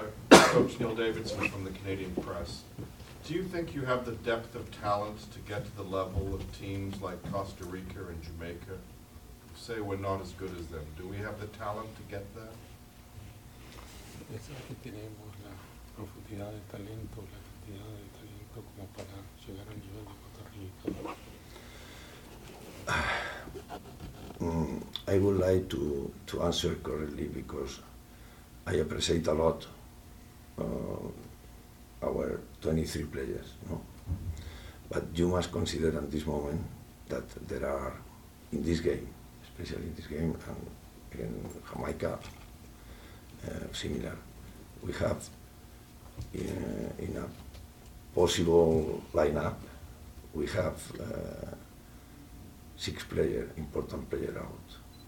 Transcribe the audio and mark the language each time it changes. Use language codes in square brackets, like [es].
[en] Coach Neil Davidson from the Canadian Press. Do you think you have the depth of talent to get to the level of teams like Costa Rica and Jamaica? Say we're not as good as them. Do we have the talent to get there? [es] Yes, aquí tenemos la profundidad de talento, la cantidad de talento como para llegar al nivel de Costa Rica. [en] I would like to answer correctly because I appreciate a lot our 23 players, no? But you must consider at this moment that there are, in this game, especially in this game, and in Jamaica, similar, we have in a possible lineup, we have six players, important player out.